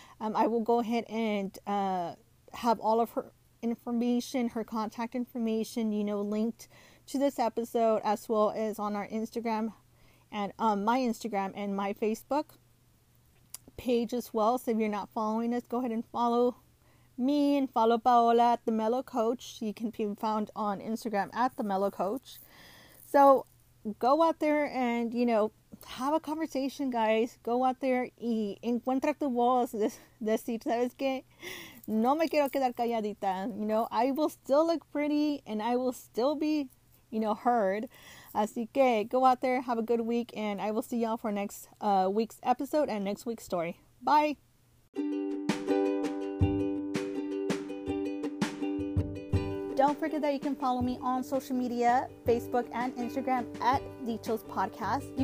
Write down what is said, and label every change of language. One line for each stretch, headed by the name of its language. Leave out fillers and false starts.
English: I will go ahead and have all of her information, her contact information, linked to this episode as well as on our Instagram and my Instagram and my Facebook page as well. So if you're not following us, go ahead and follow me and follow Paola at The Mellow Coach. She can be found on Instagram at The Mellow Coach. So go out there and have a conversation, guys. Go out there
Spanish: y encuentra tu voz. Decir, sabes qué, no me quiero quedar calladita.
English: I will still look pretty and I will still be, heard.
Spanish: Así que
English: go out there, have a good week, and I will see y'all for next week's episode and next week's story. Bye. Don't forget that you can follow me on social media, Facebook and Instagram at Dichos Podcast.